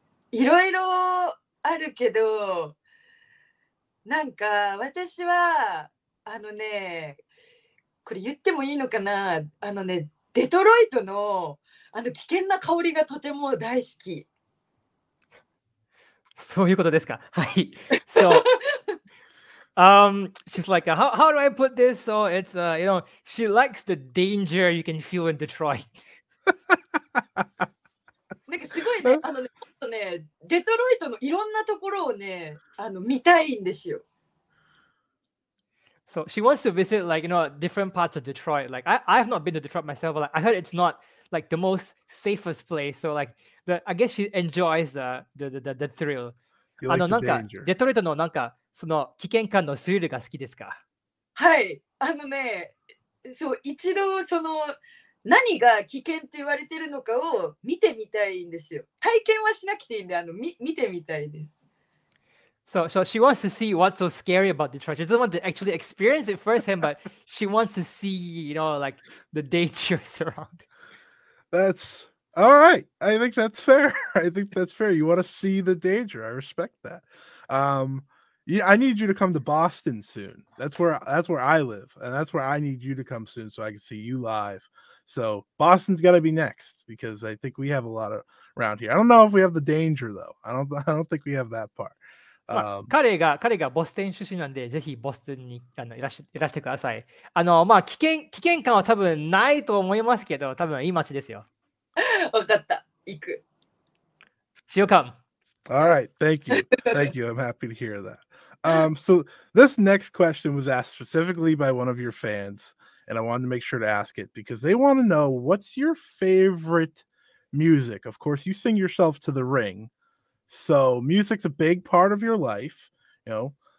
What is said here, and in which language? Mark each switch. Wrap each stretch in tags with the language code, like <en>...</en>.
<ja>いろいろあるけど、なんか私はあのね、これ言ってもいいのかな、あのね、デトロイトのあの危険な香りがとても大好き。そういうことですか。はい。</ja> <en>So, she's like, how do I put this? So it's, you know, she likes the danger you can feel in Detroit.</en> <ja>なんかすごいね、あのね、ちょっとね、デトロイトのいろんなところをね、あの見たいんですよ。</ja> <en>So she wants to visit like, you know, different parts of Detroit. Like I have not been to Detroit myself, but like, I heard it's not like the most safest place. So like I guess she enjoys the thrill.</en> <ja>あのなんかデトロイトのなんかその危険感のスリルが好きですか？はい、あのね、そう一度その何が危険って言われてるのかを見てみたいんですよ。体験はしなくていいんで、あの見てみたいです。</ja> <en>So she wants to see what's so scary about Detroit. She doesn't want to actually experience it firsthand, but she wants to see, you know, like the dangers around. That's all right. I think that's fair. You want to see the danger. I respect that. Yeah, I need you to come to Boston soon. That's where I live, and that's where I need you to come soon so I can see you live. So Boston's got to be next because I think we have a lot of around here. I don't know if we have the danger though. I don't think we have that part.</en> <ja>まあ、彼がボストン出身なんで、ぜひボストンにあのいらしてください。あのまあ危険感は多分ないと思いますけど、多分いい街ですよ。わかった。行く。しようか。</ja> <en>All right. Thank you. I'm happy to hear that. So this next question was asked specifically by one of your fans, and I wanted to make sure to ask it because they want to know, what's your favorite music? Of course, you sing yourself to the ring, so music's a big part of your life, you know.</en>